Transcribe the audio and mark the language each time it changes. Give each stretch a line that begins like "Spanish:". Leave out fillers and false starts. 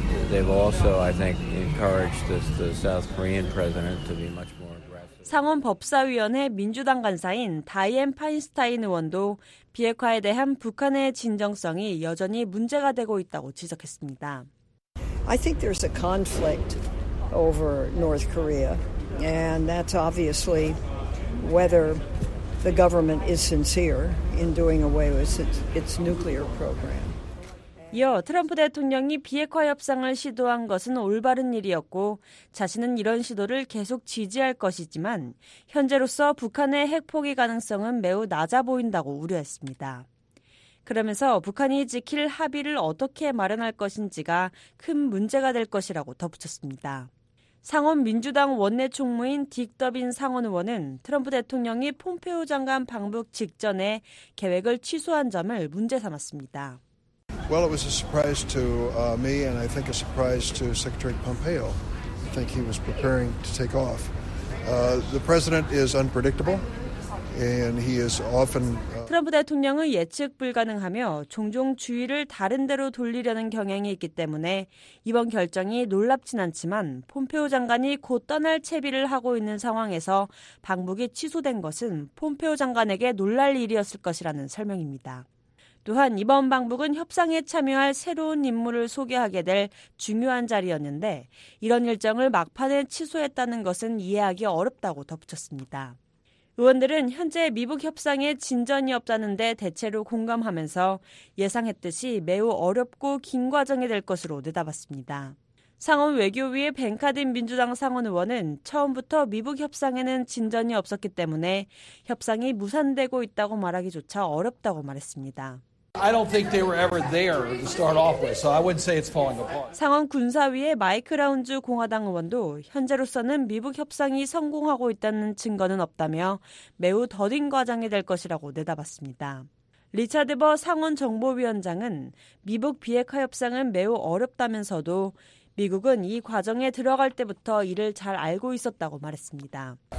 English: They've also, I think, encouraged the South Korean president to be much more aggressive.
Korean: 상원 법사위원회 민주당 간사인 다이앤 파인스타인 의원도 비핵화에 대한 북한의 진정성이 여전히 문제가 되고 있다고 지적했습니다.
English: I think there's a conflict over North Korea, and that's obviously whether the government is sincere in doing away with its nuclear program.
Korean: 이어 트럼프 대통령이 비핵화 협상을 시도한 것은 올바른 일이었고 자신은 이런 시도를 계속 지지할 것이지만 현재로서 북한의 핵 포기 가능성은 매우 낮아 보인다고 우려했습니다. 그러면서 북한이 지킬 합의를 어떻게 마련할 것인지가 큰 문제가 될 것이라고 덧붙였습니다. 상원 민주당 원내총무인 딕 더빈 상원 의원은 트럼프 대통령이 폼페오 장관 방북 직전에 계획을 취소한 점을 문제 삼았습니다.
English: Well, it was a surprise to me and I think a surprise to Secretary Pompeo. I think he was preparing to take off. The president is unpredictable and he is often
Korean: 트럼프 대통령은 예측 불가능하며 종종 주의를 다른 데로 돌리려는 경향이 있기 때문에 이번 결정이 놀랍진 않지만 폼페오 장관이 곧 떠날 채비를 하고 있는 상황에서 방북이 취소된 것은 폼페오 장관에게 놀랄 일이었을 것이라는 설명입니다. 또한 이번 방북은 협상에 참여할 새로운 인물을 소개하게 될 중요한 자리였는데 이런 일정을 막판에 취소했다는 것은 이해하기 어렵다고 덧붙였습니다. 의원들은 현재 미북 협상에 진전이 없다는 데 대체로 공감하면서 예상했듯이 매우 어렵고 긴 과정이 될 것으로 내다봤습니다. 상원 외교위의 벤카딘 민주당 상원 의원은 처음부터 미북 협상에는 진전이 없었기 때문에 협상이 무산되고 있다고 말하기조차 어렵다고 말했습니다.
English: I don't think they were ever there to start off with, so I wouldn't say it's falling apart.
Korean: 상원 군사위의 마이크 라운즈 공화당 의원도 현재로서는 미북 협상이 성공하고 있다는 증거는 없다며 매우 더딘 과정이 될 것이라고 내다봤습니다. 리차드 버 상원 정보위원장은 미북 비핵화 협상은 매우 어렵다면서도 미국은 이 과정에 들어갈 때부터 이를 잘 알고 있었다고 말했습니다.